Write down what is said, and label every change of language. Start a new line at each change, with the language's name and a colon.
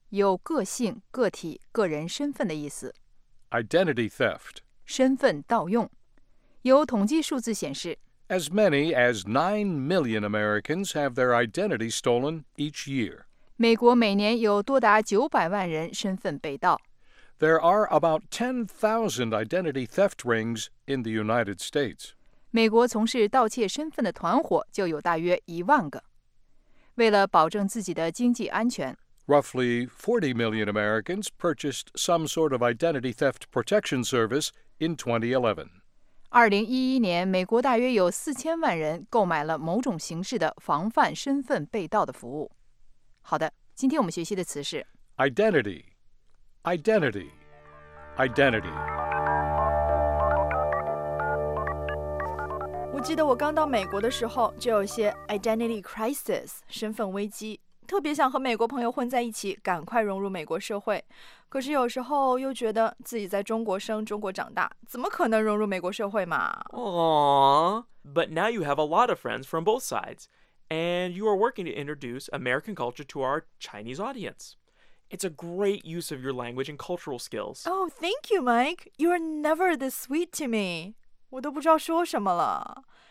Chinese: 有个性、个体、个人身份的意思。
English: Identity theft.
Chinese: 身份盗用。有统计数字显示
English: ，As many as 9 million Americans have their identity stolen each year.
Chinese: 美国每年有多达900万人身份被盗。
English: There are about 10,000 identity theft rings in the United States.
Chinese: 美国从事盗窃身份的团伙就有大约10,000个。为了保证自己的经济安全。
English: Roughly 40 million Americans purchased some sort of identity theft protection service in 2011.
Chinese: 2011 年，美国大约有4000万人购买了某种形式的防范身份被盗的服务。好的，今天我们学习的词是
English: identity, identity, identity。
Chinese: 我记得我刚到美国的时候，就有些 identity crisis, 身份危机，特别想和美国朋友混在一起，赶快融入美国社会。可是有时候又觉得自己在中国生、中国长大，怎么可能融入美国社会嘛？
English: But now you have a lot of friends from both sides, and you are working to introduce American culture to our Chinese audience. It's a great use of your language and cultural skills. Oh, thank you, Mike. You're never this sweet to me.
Chinese: 我都不知道说什么了。